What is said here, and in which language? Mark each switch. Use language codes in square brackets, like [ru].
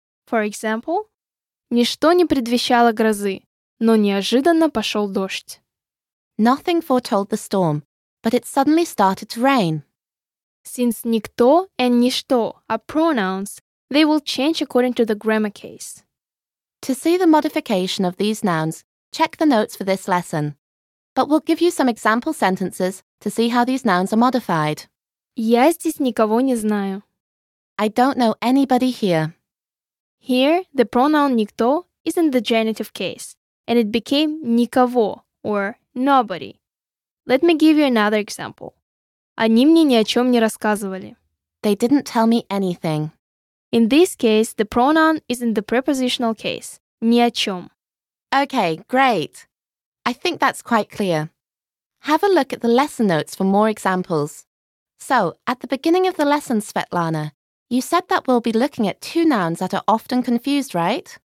[en] For example, [ru] ничто не предвещало грозы, но неожиданно пошел дождь. [en] Nothing foretold the storm, but it suddenly started to rain. Since никто and ничто are pronouns, they will change according to the grammar case. To see the modification of these nouns, check the notes for this lesson. But we'll give you some example sentences to see how these nouns are modified. [ru] Я здесь никого не знаю. [en] I don't know anybody here. Here, the pronoun никто is in the genitive case, and it became никого or nobody. Let me give you another example. [ru] Они мне ни о чем не рассказывали. [en] They didn't tell me anything. In this case, the pronoun is in the prepositional case. [ru] Ни о чем. [en] Okay, great. I think that's quite clear. Have a look at the lesson notes for more examples. So, at the beginning of the lesson, Svetlana, you said that we'll be looking at two nouns that are often confused, right?